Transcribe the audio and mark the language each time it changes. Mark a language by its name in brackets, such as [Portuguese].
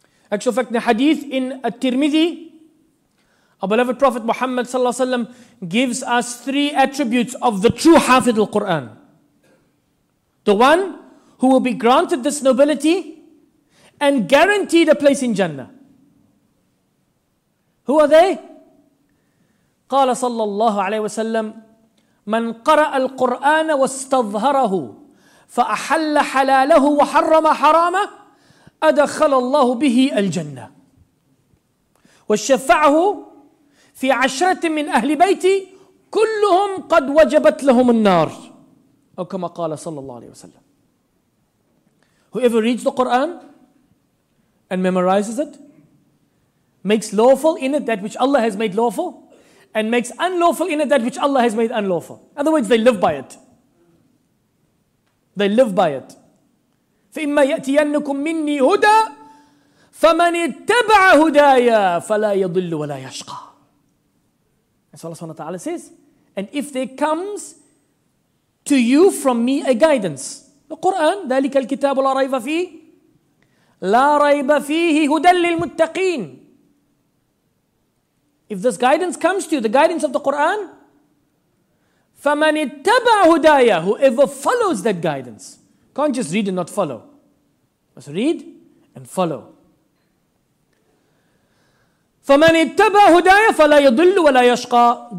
[English] Actual fact, the hadith in At-Tirmidhi, our beloved Prophet Muhammad sallallahu alaihi wasallam gives us three attributes of the true Hafid al-Quran. The one who will be granted this nobility and guaranteed a place in Jannah. Who are they? [Arabic] قال صلى الله عليه وسلم من قرأ القرآن واستظهره فأحل حلاله وحرم حرامه أدخل الله به الجنة وشفعه في عشرة من أهل بيتي كلهم قد وجبت لهم النار أو كما قال صلى الله عليه وسلم. [English] Whoever reads the Quran and memorizes it, makes lawful in it that which Allah has made lawful, and makes unlawful in it that which Allah has made unlawful. In other words, they live by it. They live by it. [Arabic] فَإِمَّا يَأْتِيَنُّكُمْ مِنِّي هُدَى فَمَنِ اتَّبَعَ هُدَايَا فَلَا يَضِلُّ وَلَا يَشْقَى. [English] And so Allah subhanahu wa ta'ala says, and if there comes to you from me a guidance. The Quran, [Arabic] ذَلِكَ الْكِتَابُ لَا رَيْبَ فِيهِ لَا رَيْبَ فِيهِ هُدًى لِلْمُتَّقِينَ. [English] If this guidance comes to you, the guidance of the Quran, [Arabic] فَمَنِ اتَّبَعْ هُدَايَ, [English] whoever follows that guidance. Can't just read and not follow. Must read and follow. [Arabic] فَمَنِ اتَّبَعْ هُدَايَ فَلَا يَضُلُّ وَلَا يَشْقَى.